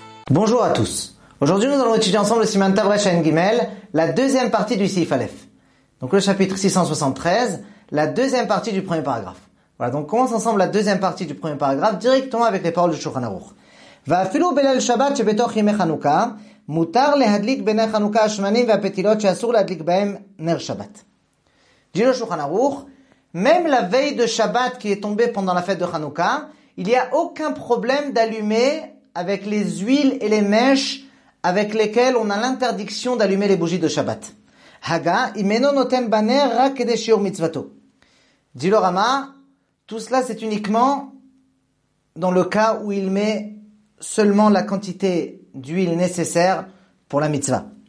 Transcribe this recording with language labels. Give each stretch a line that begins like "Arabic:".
French: Bonjour à tous. Aujourd'hui, nous allons étudier ensemble le Siman Tav Resh Gimel, la deuxième partie du Sif Alef. Donc le chapitre 673, la deuxième partie du premier paragraphe. Voilà, donc commence ensemble la deuxième partie du premier paragraphe directement avec les paroles de Shulchan Aruch.
Hebrew: ואפילו בליל שבת שבתוך ימי חנוכה, מותר להדליק בני חנוכה השמנים והפתילות שאסור להדליק בהם נר שבת.
French: דינו שולחן ערוך, même la veille de Shabbat qui est tombée pendant la fête de Hanukkah, il y a aucun problème d'allumer avec les huiles et les mèches avec lesquelles on a l'interdiction d'allumer les bougies de Shabbat. Haga, imeno noten baner rak kedei shiur mitzvato. Dilo Rama, tout cela c'est uniquement dans le cas où il met seulement la quantité d'huile nécessaire pour la mitzvah.